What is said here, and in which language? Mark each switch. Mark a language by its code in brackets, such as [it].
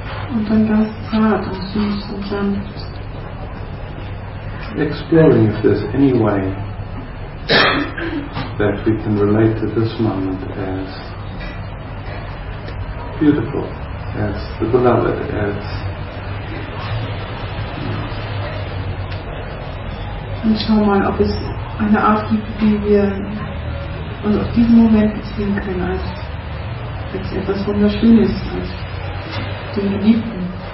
[de] Und dann ganz zart und süß und dann [en] exploring if there's any way that we can relate to this moment as beautiful, as the beloved, as. [de] Und schau mal, ob es eine Art gibt, wie wir und auf diesen Moment beziehen können, als etwas Wunderschönes, als den Geliebten.